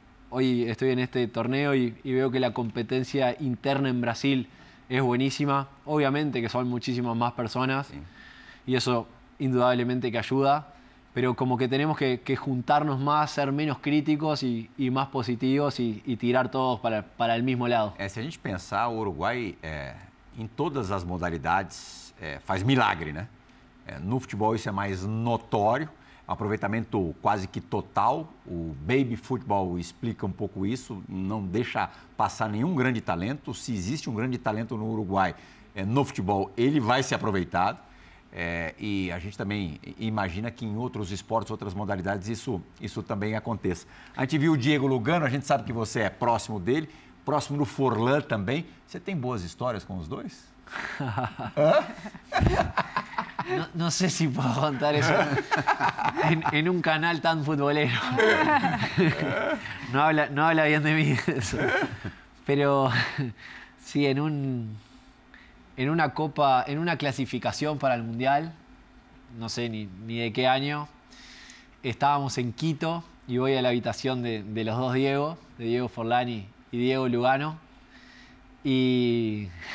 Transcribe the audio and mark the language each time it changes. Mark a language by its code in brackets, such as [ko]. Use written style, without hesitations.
[es] Hoy estoy en este torneo y veo que la competencia interna en Brasil es buenísima, obviamente que son muchísimas más personas, sí, y eso indudablemente que ayuda, pero como que tenemos que juntarnos más, ser menos críticos y más positivos y tirar todos para el mismo lado. [pt] Si a gente pensar, o Uruguay [es] en todas las modalidades [pt] faz milagre, ¿no? No futebol isso é mais notório, aproveitamento quase que total, o baby futebol explica um pouco isso, não deixa passar nenhum grande talento. Se existe um grande talento no Uruguai, no futebol, ele vai ser aproveitado. E a gente também imagina que em outros esportes, outras modalidades, isso também aconteça. A gente viu o Diego Lugano, a gente sabe que você é próximo dele, próximo do Forlán também. Você tem boas histórias com os dois? [es] No, no sé si puedo contar eso en un canal tan futbolero. No habla bien de mí eso. Pero sí, en una clasificación para el Mundial, no sé ni de qué año, estábamos en Quito y voy a la habitación de los dos Diego, de Diego Forlán y Diego Lugano. Y...